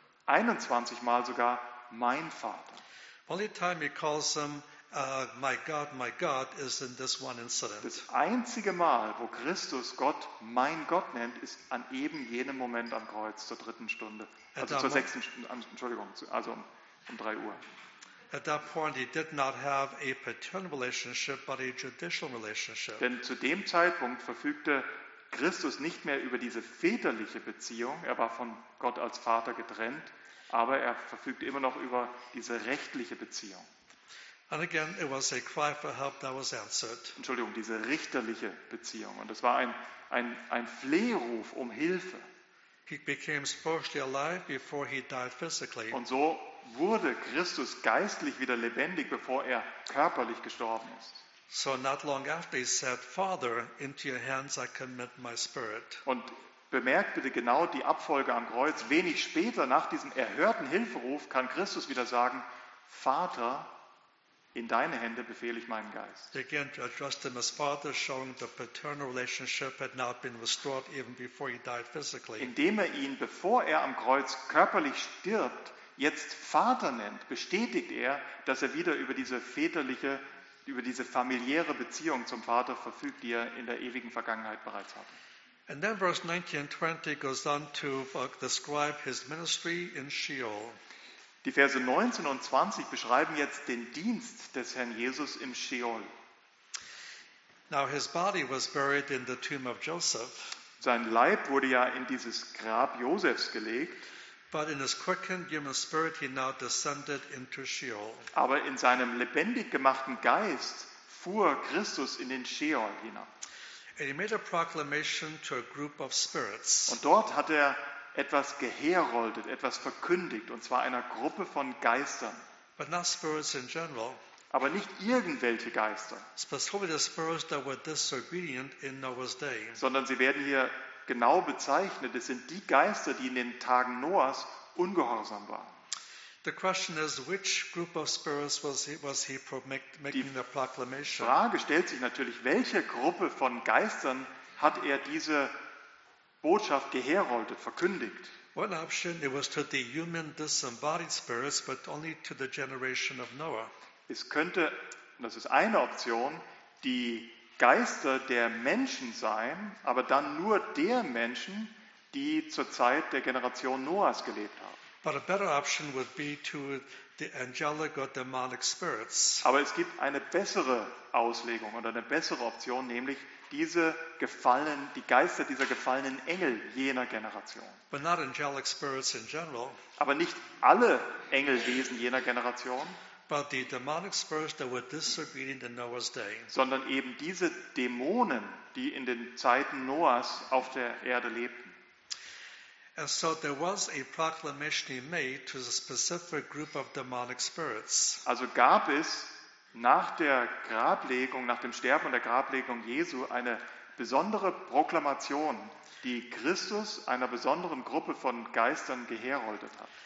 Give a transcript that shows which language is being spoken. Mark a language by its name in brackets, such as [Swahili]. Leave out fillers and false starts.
[German] 21 Mal sogar mein Vater. [English] Only time he calls him my God is in this one incident. [German] Das einzige Mal, wo Christus Gott mein Gott nennt, ist an eben jenem Moment am Kreuz zur dritten Stunde, also zur sechsten Stunde, Entschuldigung, also um 3 Uhr. [English] At that point he did not have a paternal relationship, but a judicial relationship. [German] Denn zu dem Zeitpunkt verfügte Christus nicht mehr über diese väterliche Beziehung, er war von Gott als Vater getrennt, aber er verfügte immer noch über diese rechtliche Beziehung. [English] And again, it was a cry for help that was answered. [German] Entschuldigung, diese richterliche Beziehung. Und es war ein Flehruf um Hilfe. [English] He became spiritually alive before he died physically. [German] Und so wurde Christus geistlich wieder lebendig, bevor er körperlich gestorben ist. [English] So not long after he said, Father, into your hands I commit my spirit. [German] Und bemerkt bitte genau die Abfolge am Kreuz. Wenig später, nach diesem erhörten Hilferuf, kann Christus wieder sagen, Vater, In deine Hände befehle ich meinen Geist. [English] Again, to address them as fathers, showing the paternal relationship had not been restored even before he died physically. [German] Indem er ihn, bevor er am Kreuz körperlich stirbt, jetzt Vater nennt, bestätigt er, dass er wieder über diese väterliche, über diese familiäre Beziehung zum Vater verfügt, die er in der ewigen Vergangenheit bereits hatte. [English] And then verse 19-20 goes on to describe his ministry in Sheol. [German] Die Verse 19 und 20 beschreiben jetzt den Dienst des Herrn Jesus im Sheol. [English] Now his body was buried in the tomb of Joseph. [German] Sein Leib wurde ja in dieses Grab Josefs gelegt. [English] But in his quickened human spirit he now descended into Sheol. [German] Aber in seinem lebendig gemachten Geist fuhr Christus in den Sheol hinab. [English] And he made a proclamation to a group of spirits. [German] Und dort hat er etwas geheroldet, etwas verkündigt, und zwar einer Gruppe von Geistern. [English] But not spirits in general. [German] Aber nicht irgendwelche Geister. [English] Specifically the spirits that were disobedient in Noah's day. [German] Sondern sie werden hier genau bezeichnet. Es sind die Geister, die in den Tagen Noahs ungehorsam waren. [English] The question is, which group of spirits was he making the proclamation? [German] Die Frage stellt sich natürlich, welche Gruppe von Geistern hat er diese Botschaft geheroldet, verkündigt? [English] One option, it was to the human disembodied spirits, but only to the generation of Noah. [German] Es könnte, das ist eine Option, die Geister der Menschen sein, aber dann nur der Menschen, die zur Zeit der Generation Noahs gelebt haben. [English] But a better option would be to the angelic or demonic spirits. [German] Aber es gibt eine bessere Auslegung oder eine bessere Option, nämlich diese gefallenen, die Geister dieser gefallenen Engel jener Generation. [English] But not angelic spirits in general. [German] Aber nicht alle Engelwesen jener Generation. [English] But the demonic spirits that were disobedient in Noah's day. [German] Sondern eben diese Dämonen, die in den Zeiten Noahs auf der Erde lebten. [English] And so there was a proclamation he made to a specific group of demonic spirits. [German] Also gab es nach der Grablegung, nach dem Sterben und der Grablegung Jesu eine besondere Proklamation, die Christus einer besonderen Gruppe von Geistern geheroldet hat.